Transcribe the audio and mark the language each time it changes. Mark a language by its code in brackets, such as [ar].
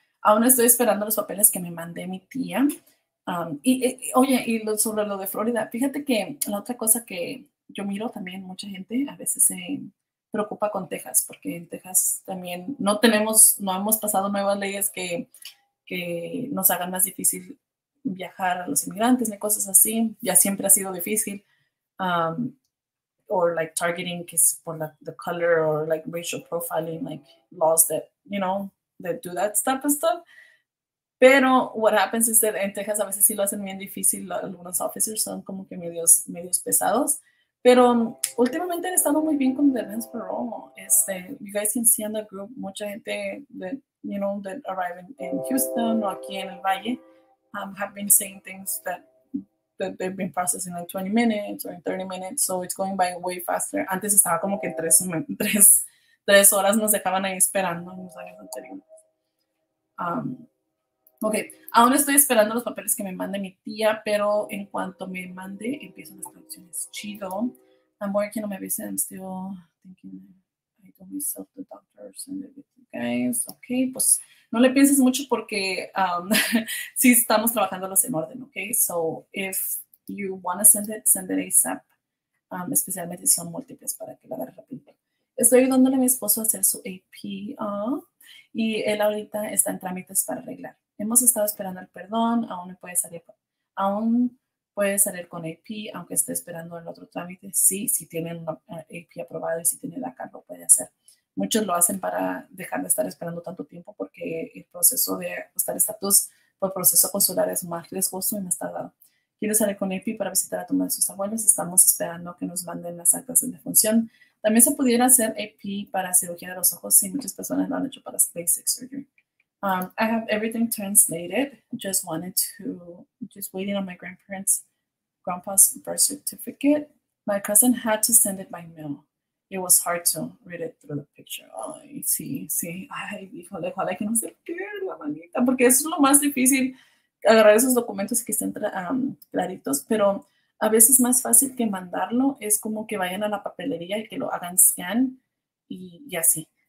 [es] Aún estoy esperando los papeles que me mandé mi tía. Y sobre lo de Florida, fíjate que la otra cosa que yo miro también, mucha gente a veces se preocupa con Texas, porque en Texas también no tenemos, no hemos pasado nuevas leyes que nos hagan más difícil viajar a los inmigrantes ni cosas así. Ya siempre ha sido difícil. [en] Or like targeting kids for the color or like racial profiling, like laws that, you know, that do that type of stuff. [es] Pero [en] what happens is that in Texas, [es] a veces sí lo hacen bien difícil. Algunos officers son como que medios pesados. Pero últimamente han estado muy bien con the Advance Parole. [en] You guys can see on the group, [es] mucha gente [en] that, you know, that arrive in Houston or [es] aquí en el Valle [en] have been saying things that they've been processing like 20 minutes or 30 minutes. So it's going by way faster. [es] Antes estaba como que tres horas nos dejaban ahí esperando en los años anteriores. Okay, aún estoy esperando los papeles que me mande mi tía, pero en cuanto me mande, empiezo las traducciones. Chido. [en] I'm working on my visa. I'm still thinking I told myself the doctors and everything, guys. [es] Okay, pues no le pienses mucho porque sí estamos trabajándolos en orden, okay? [en] So if you want to send it ASAP, [es] especialmente si son múltiples para que la agarre rápido. Estoy ayudándole a mi esposo a hacer su AP y él ahorita está en trámites para arreglar. Hemos estado esperando el perdón, aún puede salir con AP, aunque esté esperando el otro trámite. Sí, si tiene un AP aprobado y si tiene DACA, lo puede hacer. Muchos lo hacen para dejar de estar esperando tanto tiempo porque el proceso de ajustar estatus por proceso consular es más riesgoso y más tardado. Quiero salir con AP para visitar a tu madre y sus abuelos. Estamos esperando que nos manden las actas de defunción. También se pudiera hacer AP para cirugía de los ojos. Sí, muchas personas lo han hecho para LASIK surgery. [en] I have everything translated. Just waiting on my grandpa's birth certificate. My cousin had to send it by mail. It was hard to read it through the picture. [es] Ay, sí, sí. Ay, híjole, ojalá que no se pierda la manita, porque eso es lo más difícil, agarrar esos documentos que estén claritos, pero a veces más fácil que mandarlo es como que vayan a la papelería y que lo hagan scan y así.